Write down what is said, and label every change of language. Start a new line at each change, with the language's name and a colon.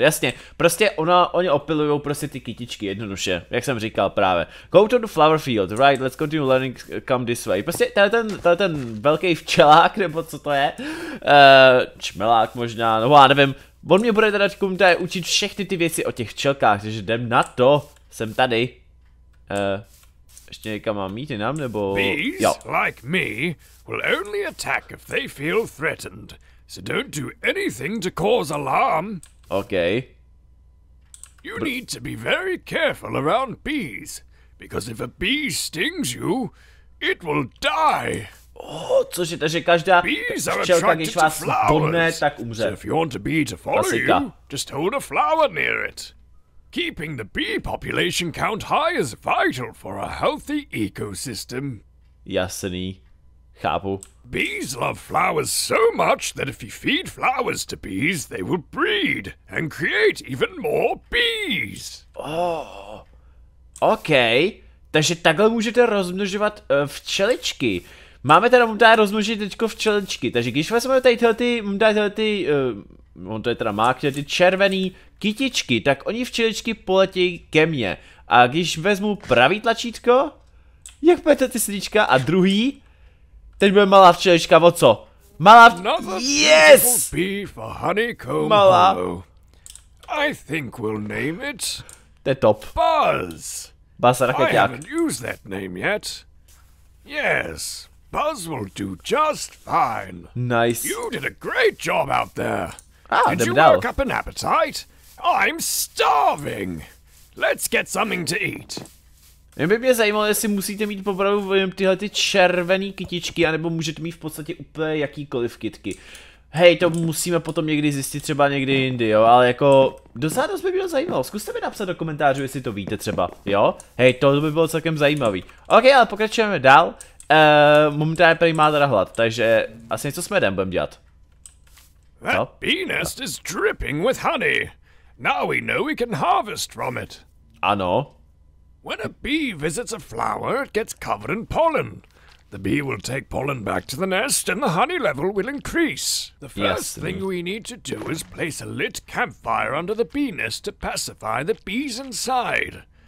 Czech: Jasně, prostě oni opilujou prostě ty kytičky jednoduše, jak jsem říkal právě.
English: Go to the flower field, right, let's continue learning, come this way.
Czech: Prostě tenhle ten velký včelák, nebo co to je, čmelák možná, no já nevím. On mě bude teda učit všechny ty věci o těch včelkách, takže jdem na to, jsem tady. Ještě někam mám mít jinam, nebo...
English: Bees,
Czech: jo.
English: Like me, will only attack if they feel threatened. So don't do anything to cause alarm. Okay. You need to be very careful around bees, because if a bee stings you, it will die.
Czech: Oh, cože, takže každá včelka, když vás dotkne, tak umře.
English: So if you want a bee to follow
Czech: Klasika.
English: You, just hold a flower near it. Keeping the bee population count high is vital for a healthy ecosystem.
Czech: Jasný. Chápu.
English: Bees love flowers so much that if you feed flowers to bees, they will breed and create even more bees. Oh. Okay.
Czech: Takže takhle můžete rozmnožovat včeličky. Máme teda můžete rozmnožit teďko včeličky. Takže když vezmeme tady tyhle ty on to je teda má, ty červený kytičky, tak oni včeličky poletí ke mně. A když vezmu pravý tlačítko, jak půjde ty srdíčka a druhý, teď bude malá včelička, o co? Malá yes!
English: Bee for honeycomb
Czech: malá.
English: I think we'll name it.
Czech: To je top.
English: Buzz.
Czech: Buzz a raketák.
English: I haven't used that name yet. Yes, Buzz will do just fine. Nice. You did a great job out there. Ah, did you work up an appetite? I'm starving. Let's get something to eat.
Czech: Jen by mě zajímalo, jestli musíte mít popravu tyhle ty červený kytičky, anebo můžete mít v podstatě úplně jakýkoliv kytky. Hej, to musíme potom někdy zjistit třeba někdy jindy, jo, ale jako dosádost by bylo zajímalo. Zkuste mi napsat do komentářů, jestli to víte třeba, jo? Hej, to by bylo celkem zajímavý. Ok, ale pokračujeme dál. Momentálně prý má teda hlad, takže asi něco jsme jdem budeme dělat.
English: That bee nest is dripping with honey. Now we know we can harvest from it.
Czech: Ano.
English: When a bee visits a flower, it gets covered in pollen. The bee will take pollen back to the nest and the honey level will increase. The first thing we need to do is place a lit campfire under the bee nest to pacify the bees inside.